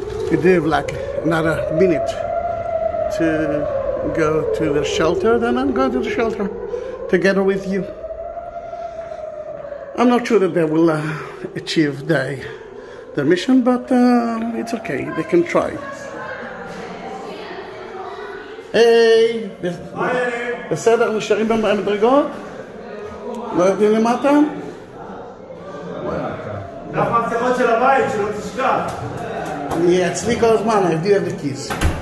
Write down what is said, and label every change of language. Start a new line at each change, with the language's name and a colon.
English: We do have like another minute to go to the shelter. Then I'm going to the shelter together with you. I'm not sure that they will achieve their mission, but it's okay. They can try.
Hebrew: Hey, בסדר, נשארים במדרגות? לא יודעים למטה? דף המצלחות של הבית, שלא תשכח. אני אצלי כל הזמן,
English: I do have the keys.